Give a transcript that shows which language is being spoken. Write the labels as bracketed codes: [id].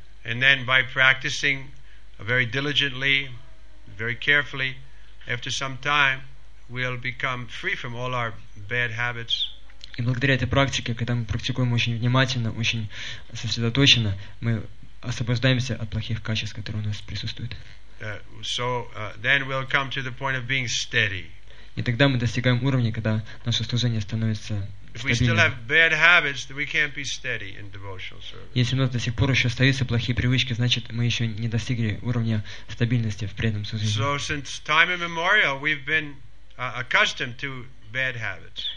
[en] And then by practicing very diligently, very carefully, after some time, we'll become free from all our bad habits. [ru] И благодаря этой практике, когда мы практикуем очень внимательно, очень сосредоточенно, мы освобождаемся от плохих качеств, которые у нас присутствуют. [en] Then we'll come to the point of being steady. [ru] И тогда мы достигаем уровня, когда наше служение становится стабильным. [en] If we still have bad habits, then we can't be steady in devotional service. [ru] Если у нас до сих пор еще остаются плохие привычки, значит, мы еще не достигли уровня стабильности в преданном служении. [en] So since time immemorial, we've been accustomed to bad habits.